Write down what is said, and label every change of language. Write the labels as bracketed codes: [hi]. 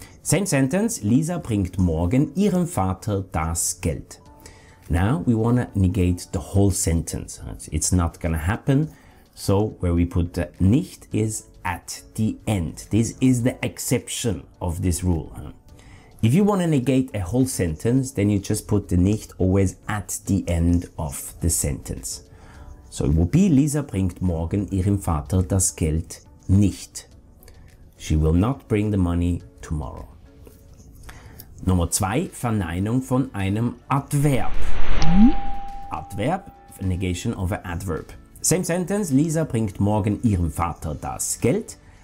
[en] Same sentence, [de] Lisa bringt morgen ihrem Vater das Geld. [en] Now we want to negate the whole sentence. It's not gonna happen. So, where we put the nicht is at the end. This is the exception of this rule. If you want to negate a whole sentence, then you just put the nicht always at the end of the sentence. So, it will be [de] Lisa bringt morgen ihrem Vater das Geld nicht. [en] She will not bring the money tomorrow. [de] Nummer 2, Verneinung von einem Adverb. [en] Adverb, negation of an adverb. Same sentence, [de] Lisa bringt morgen ihrem Vater das Geld.